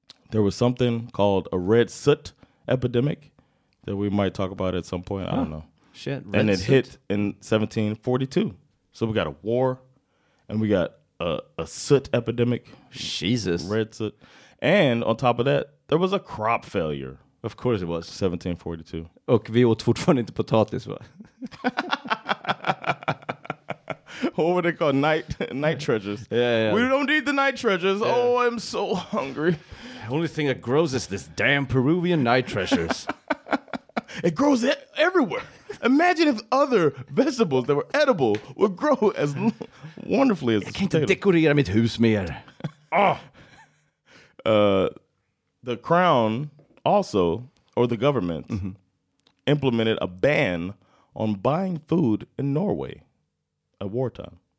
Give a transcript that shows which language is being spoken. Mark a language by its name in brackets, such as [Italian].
[English] There was something called a red soot epidemic that we might talk about at some point. Huh. I don't know. Shit, red soot. And it hit in 1742. So we got a war, and we got a soot epidemic. Jesus. Red soot. And on top of that, there was a crop failure. Of course it was. 1742. [Swedish] Och vi åt fortfarande inte potatis, va? [English] What were they called? Night treasures. Yeah, yeah. We don't need the night treasures. Yeah. Oh, I'm so hungry. The only thing that grows is this damn Peruvian night treasures. It grows everywhere. Imagine if other vegetables that were edible would grow as wonderfully as potatoes. [Swedish] Jag kan inte dekorera mitt hus mer. [English] The crown also, or the government, implemented a ban on buying food in Norway at wartime.